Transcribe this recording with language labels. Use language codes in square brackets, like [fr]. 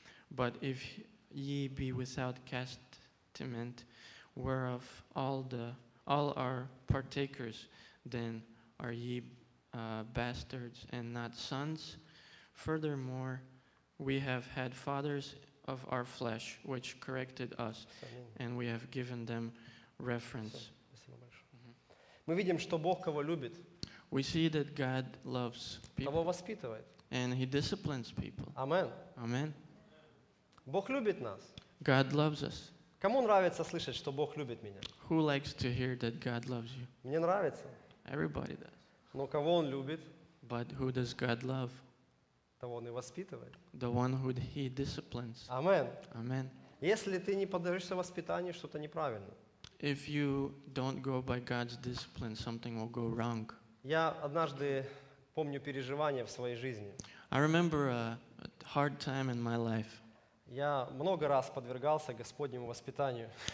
[en] But if ye be without castement, whereof all are partakers, then are ye bastards and not sons. Furthermore, we have had fathers of our flesh which corrected us, and we have given them reference. [ru] Мы видим, что Бог кого любит. [en] We see that God loves people. [ru] Кого воспитывает. [en] And He disciplines people. Amen. Amen. [ru] Бог любит нас. [en] God loves us. [ru] Кому нравится слышать, что Бог любит меня? [en] Who likes to hear that God loves you? [ru] Мне нравится. [en] Everybody does. [ru] Но кого Он любит? [en] But who does God love? [ru] Того Он и воспитывает. [en] The one who He disciplines. Amen. Amen. [ru] Если ты не поддаешься воспитанию, что-то неправильно. [en] If you don't go by God's discipline, something will go wrong. [ru] Я однажды помню переживание в своей жизни. [en] I remember a hard time in my life. [ru] Я много раз подвергался Господнему воспитанию.